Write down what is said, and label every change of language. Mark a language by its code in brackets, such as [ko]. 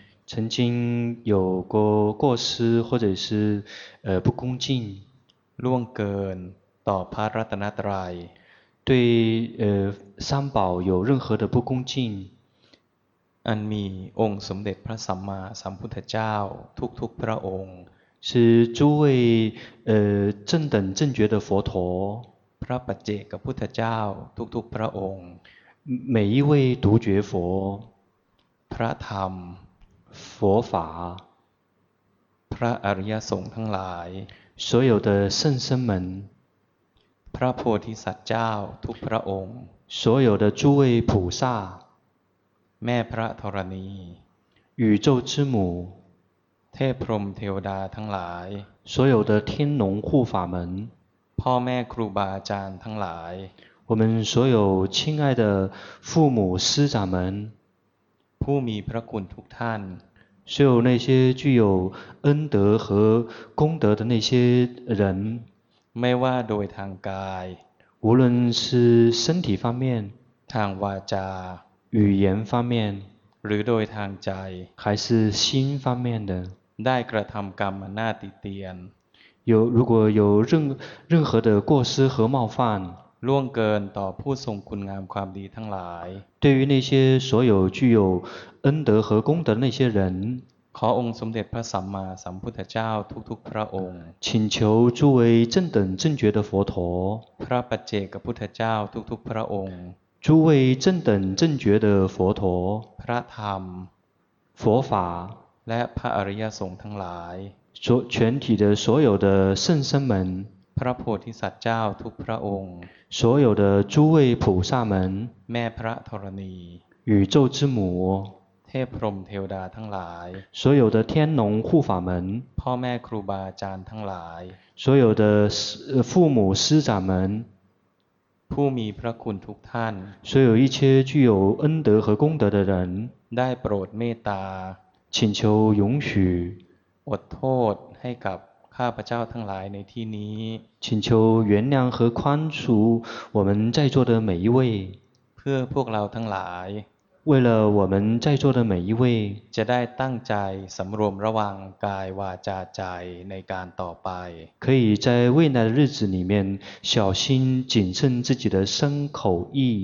[zh] 曾经有过过失或者是不恭敬 [th] ล่วงเกินต่อพระรัตนตรัย [zh] 对三宝有任何的不恭敬 [th] อันมีองค์สมเด็จพระสัมมาสัมพุทธเจ้าทุกๆพระองค์ [zh] 是诸位正等正觉的佛陀 [th] พระปัจเจกพุทธเจ้าทุกๆพระองค์ [zh] 每一位独觉佛 [th] พระธรรม [zh] 佛法 [th] พระอริยสงฆ์ทั้งหลาย [zh] 所有的圣僧们 [th] พระโพธิสัตว์เจ้าทุกพระองค์ [zh] 所有的诸位菩萨 [th] แม่พระธรณี [zh] 宇宙之母 [th] เทพพรหมเทวดาทั้งหลาย [zh] 所有的天龙护法们 [th] พ่อแม่ครูบาอาจารย์ทั้งหลาย [zh] 我们所有亲爱的父母师长们 [th] ผู้มีพระคุณทุกท่าน [zh] 所有那些具有恩德和功德的那些人 [th] ไม่ว่าโดยทางกาย [zh] 无论是身体方面 [th] ทางวาจา [zh] 语言方面 [th] หรือโดยทางใจ [zh] 还是心方面的 [th] ได้กระทำกรรมน่าติเตียน [zh] 有如果有任何的过失和冒犯 [th] ล่วงเกินต่อผู้ทรงคุณงามความดีทั้งหลาย [zh] 对于那些所有具有恩德和功德那些人 [th] ขอองค์สมเด็จพระสัมมาสัมพุทธเจ้าทุกๆพระองค์ [zh] 请求诸位正等正觉的佛陀 [th] พระปัจเจกพุทธเจ้าทุกๆพระองค์ [zh] 诸位正等正觉的佛陀 [th] พระธรรม [zh] 佛法 [th] และพระอริยสงฆ์ทั้งหลาย [zh] 全体的所有的圣僧们 [th] พระโพธิสัตว์เจ้าทุกพระองค์ [zh] 所有的诸位菩萨们 [th] แม่พระธรณี [zh] 宇宙之母 [th] เทพพรหมเทวดาทั้งหลาย [zh] 所有的天龙护法们 [th] พ่อแม่ครูบาอาจารย์ทั้งหลาย [zh] 所有的父母师长们 [th] ผู้มีพระคุณทุกท่าน [zh] 所有一切具有恩德和功德的人 [th] ได้โปรดเมตตา [zh] 请求允许 [th] อดโทษให้กับข้าพเจ้าทั้งหลายในที่นี้ [zh] 请求原谅和宽恕我们在座的每一位 [th] เพื่อพวกเราทั้งหลาย [zh] 为了我们在座的每一位 [th] จะได้ตั้งใจสำรวมระวังกายวาจาใจในการต่อไป [zh] 可以在未来的日子里面小心谨慎自己的身口意